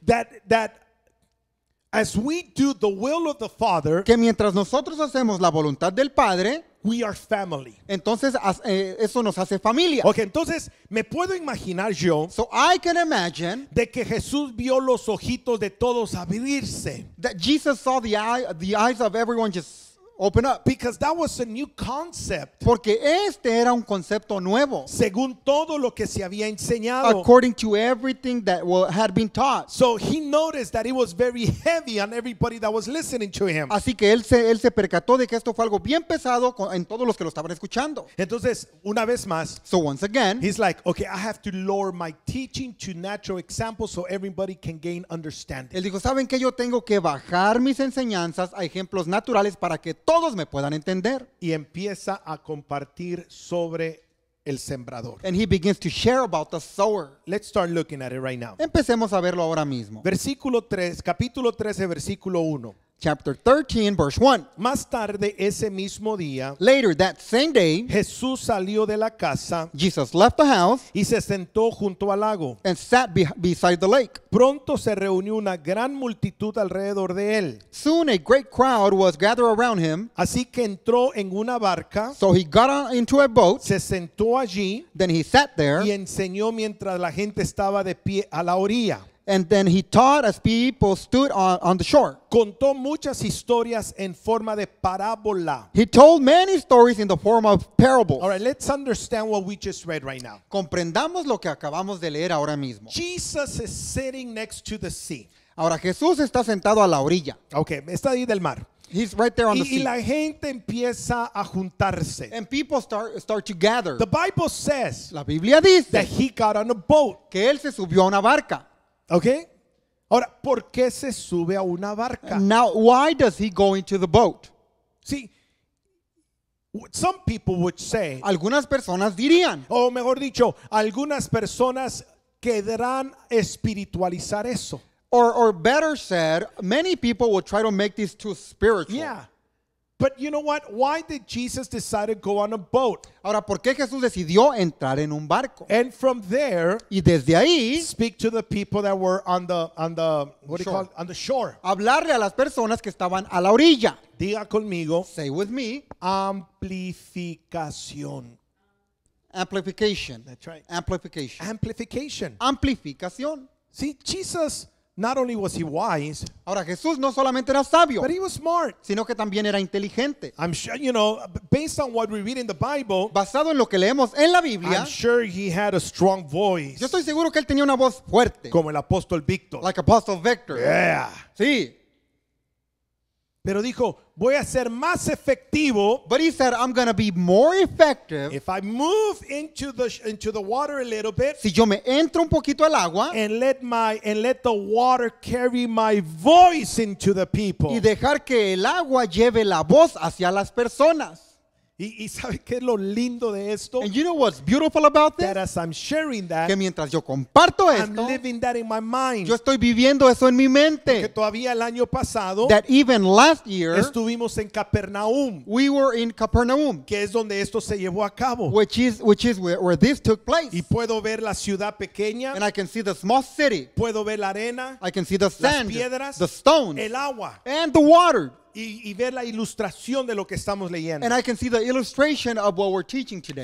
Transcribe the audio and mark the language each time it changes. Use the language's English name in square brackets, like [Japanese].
[English] That as we do the will of the Father. [Spanish] Que mientras nosotros hacemos la voluntad del Padre. [English] We are family. [Spanish] Entonces, eso nos hace familia. Okay, entonces, me puedo imaginar yo. [English] So I can imagine. [Spanish] De que Jesús vio los ojitos de todos abrirse. [English] That Jesus saw the eyes of everyone just Open up. Because that was a new concept. [Spanish] Porque este era un concepto nuevo. Según todo lo que se había enseñado. [English] According to everything that had been taught. So he noticed that it was very heavy on everybody that was listening to him. [Spanish] Así que él se percató de que esto fue algo bien pesado en todos los que lo estaban escuchando. Entonces, una vez más. [English] So once again. He's like, okay, I have to lower my teaching to natural examples so everybody can gain understanding. [Spanish] Él dijo, ¿saben qué? Yo tengo que bajar mis enseñanzas a ejemplos naturales para que todos me puedan entender. Y empieza a compartir sobre el sembrador. [English] And he begins to share about the sower. Let's start looking at it right now. [Spanish] Empecemos a verlo ahora mismo. Versículo 3, capítulo 13, versículo 1. [English] Chapter 13, verse 1. [Spanish] Más tarde ese mismo día, [English] later that same day, [Spanish] Jesús salió de la casa, [English] Jesus left the house, [Spanish] y se sentó junto al lago, [English] and sat beside the lake. [Spanish] Pronto se reunió una gran multitud alrededor de él. [English] Soon a great crowd was gathered around him. [Spanish] Así que entró en una barca, [English] so he got into a boat, [Spanish] se sentó allí, [English] then he sat there, [Spanish] y enseñó mientras la gente estaba de pie a la orilla. [English] And then he taught as people stood on the shore. [Spanish] Contó muchas historias en forma de parábola. [English] He told many stories in the form of parables. All right, let's understand what we just read right now. [Spanish] Comprendamos lo que acabamos de leer ahora mismo. [English] Jesus is sitting next to the sea. [Spanish] Ahora Jesús está sentado a la orilla. Okay, está ahí del mar. [English] He's right there on [Spanish] y [English] the sea. [Spanish] Y la gente empieza a juntarse. [English] And people start to gather. The Bible says. [Spanish] La Biblia dice. [English] That he got on a boat. [Spanish] Que él se subió a una barca. [English] Okay? [Spanish] Ahora, ¿por qué se sube a una barca? [English] Now, why does he go into the boat? See, some people would say, [Spanish] algunas personas dirían, o mejor dicho, algunas personas querrán espiritualizar eso. [English] Or better said, many people would try to make this too spiritual. Yeah. But you know what? Why did Jesus decide to go on a boat? [Spanish] Ahora, ¿por qué Jesús decidió entrar en un barco? [English] And from there, [Spanish] y desde ahí, [English] speak to the people that were on the what do you call it? On the shore. [Spanish] Hablarle a las personas que estaban a la orilla. Diga conmigo. [English] Say with me. [Spanish] Amplificación. [English] Amplification. That's right. Amplification. Amplification. [Spanish] Amplificación. [English] See, Jesus. Not only was he wise, [Spanish] ahora Jesús no solamente era sabio, [English] but he was smart, [Spanish] sino que también era inteligente. [English] I'm sure, you know, based on what we read in the Bible, [Spanish] basado en lo que leemos en la Biblia, [English] I'm sure he had a strong voice. [Spanish] Yo estoy seguro que él tenía una voz fuerte, como el apóstol Víctor. [English] Like Apostle Victor. Yeah. [Spanish] Sí. Pero dijo, voy a ser más efectivo. [English] But he said, I'm going to be more effective. If I move into the water a little bit. [Spanish] Si yo me entro un poquito al agua. [English] And let the water carry my voice into the people. [Spanish] Y dejar que el agua lleve la voz hacia las personas. ¿Y sabe qué es lo lindo de esto? [English] And you know what's beautiful about this? That as I'm sharing that, [Spanish] que mientras yo comparto esto, [English] I'm living that in my mind. [Spanish] Yo estoy viviendo eso en mi mente. Porque todavía el año pasado, [English] that even last year, [Spanish] estuvimos en Capernaum. [English] We were in Capernaum. [Spanish] Que es donde esto se llevó a cabo. [English] Which is where this took place. [Spanish] Y puedo ver la ciudad pequeña. [English] And I can see the small city. [Spanish] Puedo ver la arena. [English] I can see the sand. [Spanish] Las piedras. [English] The stones. [Spanish] El agua. [English] And the water. [Spanish] Y ver la ilustración de lo que estamos leyendo. [English] And I can see the illustration of what we're teaching today.